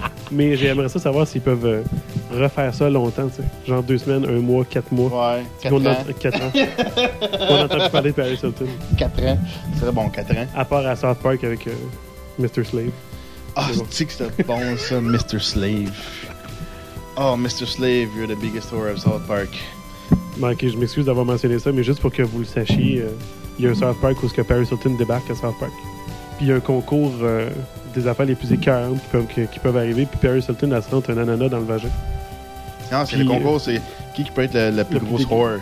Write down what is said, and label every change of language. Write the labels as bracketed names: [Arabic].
[French] Mais j'aimerais ça savoir s'ils peuvent refaire ça longtemps, tu sais. Genre 2 semaines, 1 mois, 4 mois. Ouais, 4 ans. On entend plus parler de Paris Hilton. 4 ans. C'est bon, 4 ans. À part à South Park avec Mr. Slave. Ah, tu sais que c'est bon, ça, Mr. Slave. Oh, Mr. [English] Slave, you're the biggest whore of South Park. [French] Bon, OK, je m'excuse d'avoir mentionné ça, mais juste pour que vous le sachiez, il y a un South Park où ce que Paris Hilton débarque à South Park. Puis il y a un concours des affaires les plus écœurantes qui peuvent arriver. Puis Paris Hilton, elle se rentre un ananas dans le vagin. Non, c'est puis, le concours, c'est qui peut être la plus grosse whore.